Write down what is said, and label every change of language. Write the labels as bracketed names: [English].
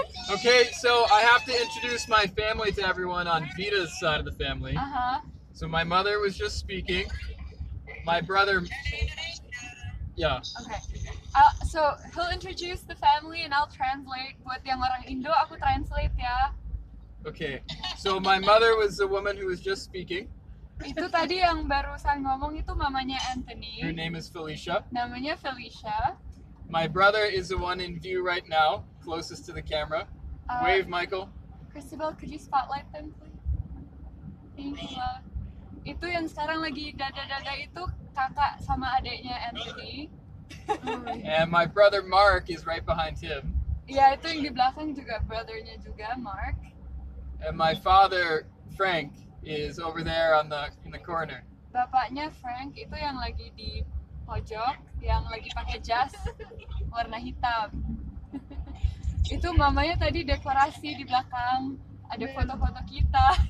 [English] Okay, so I have to introduce my family to everyone on Vida's side of the family. Uh-huh. So my mother was just speaking. My brother... Yeah. Okay. So he'll introduce the family and I'll translate. [Indonesian] Buat yang orang Indo, aku translate ya. [English] Okay. So my mother was the woman who was just speaking. [Indonesian] Itu tadi yang barusan ngomong itu mamanya Anthony. [English] Her name is Felicia. [Indonesian] Namanya Felicia. [English] My brother is the one in view right now, closest to the camera. Wave, Michael. Christabel, could you spotlight them, please? Thank you. [Indonesian] Itu yang sekarang lagi dada-dada itu kakak sama adiknya Anthony. [English] And my brother Mark is right behind him. [Indonesian] Ya, yeah, itu yang di belakang juga, brothernya juga, Mark. [English] And my father, Frank, is over there on the in the corner. [Indonesian] Bapaknya Frank, itu yang lagi di pojok, yang lagi pakai jas warna hitam. Itu mamanya tadi dekorasi di belakang, ada foto-foto kita.